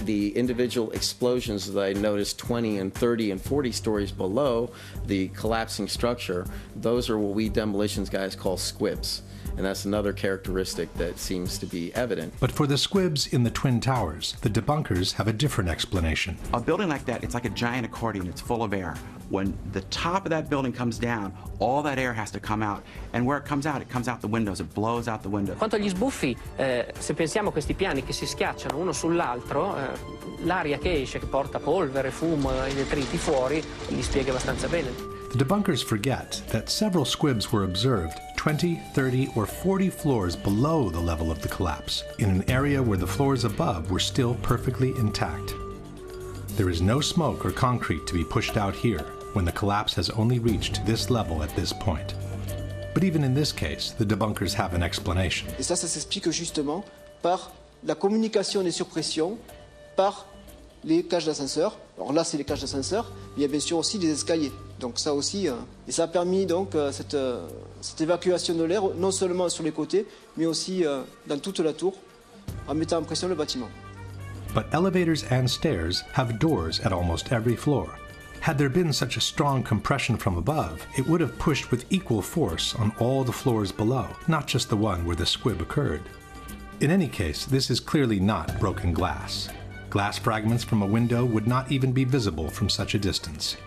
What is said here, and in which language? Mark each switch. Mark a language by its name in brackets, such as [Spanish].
[English] The individual explosions that I noticed 20 and 30 and 40 stories below the collapsing structure, those are what we demolitions guys call squibs. And that's another characteristic that seems to be evident. But for the squibs in the Twin Towers, the debunkers have a different explanation. A building like that, it's like a giant accordion. It's full of air. When the top of that building comes down, all that air has to come out. And where it comes out the windows. It blows out the windows. [Italian] Quanto agli sbuffi, se pensiamo a questi piani che si schiacciano uno sull'altro, l'aria che esce, che porta polvere, fumo, I detriti fuori, gli spiega abbastanza bene. [English] The debunkers forget that several squibs were observed 20, 30, or 40 floors below the level of the collapse, in an area where the floors above were still perfectly intact. There is no smoke or concrete to be pushed out here when the collapse has only reached this level at this point. But even in this case, the debunkers have an explanation. [French] Et ça s'explique justement par la communication des surpressions par les cages d'ascenseur. Alors là, c'est les cages d'ascenseur, mais il y a bien sûr aussi des escaliers. Donc ça aussi, et ça a permis donc cette évacuation de l'air, non seulement sur les côtés, mais aussi dans toute la tour, en mettant en pression le bâtiment. [English] But elevators and stairs have doors at almost every floor. Had there been such a strong compression from above, it would have pushed with equal force on all the floors below, not just the one where the squib occurred. In any case, this is clearly not broken glass. Glass fragments from a window would not even be visible from such a distance.